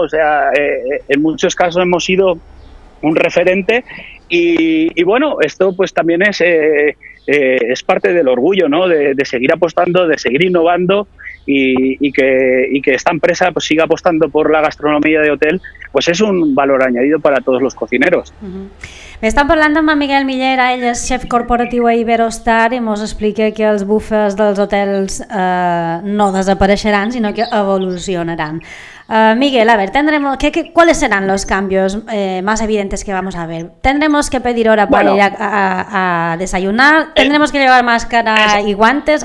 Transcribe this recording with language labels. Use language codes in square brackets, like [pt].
[es] O sea, en muchos casos hemos sido un referente, y bueno, esto pues también es parte del orgullo, ¿no? De seguir apostando, de seguir innovando, y que esta empresa pues siga apostando por la gastronomía de hotel, pues es un valor añadido para todos los cocineros. [ca] Estan parlant amb en Miguel Millera, ell és xef corporatiu a Iberostar, i mos explica que els bufes dels hotels no desapareixeran, sinó que evolucionaran. [es] Miguel, a ver, tendremos que ¿cuáles serán los cambios más evidentes que vamos a ver? ¿Tendremos que pedir hora para ir a desayunar? ¿Tendremos que llevar máscara y guantes?